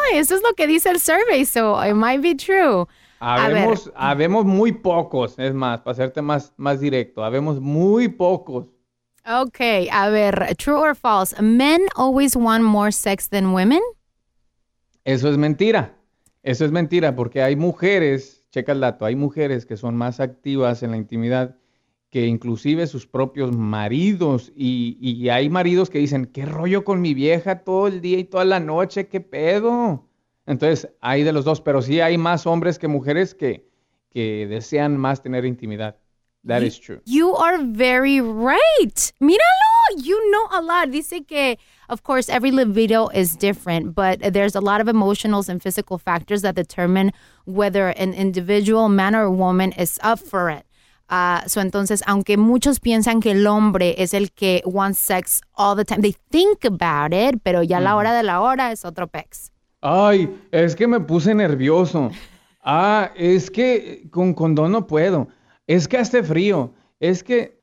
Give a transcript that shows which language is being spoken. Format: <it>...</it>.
<es>Eso es lo que dice el survey,</es> <en>so it might be true.</en> <es>Habemos muy pocos, es más, para hacerte más directo, habemos muy pocos.</es> <en>Okay,</en> <es>a ver,</es> <en>true or false, men always want more sex than women?</en> <es>Eso es mentira, porque hay mujeres, checa el dato, hay mujeres que son más activas en la intimidad que inclusive sus propios maridos, y hay maridos que dicen, ¿qué rollo con mi vieja todo el día y toda la noche? ¿Qué pedo? Entonces, hay de los dos, pero sí hay más hombres que mujeres que desean más tener intimidad.</es> <en>That is true. You are very right.</en> <es>Míralo,</es> <en>you know a lot.</en> <es>Dice que,</es> <en>of course, every libido is different, but there's a lot of emotional and physical factors that determine whether an individual man or woman is up for it.</en> <es>So entonces, aunque muchos piensan que el hombre es el que</es> <en>wants sex all the time, they think about it,</en> <es>pero ya la hora de la hora es otro pex. Ay, es que me puse nervioso. Ah, es que con condón no puedo. Es que hace frío. Es que...</es>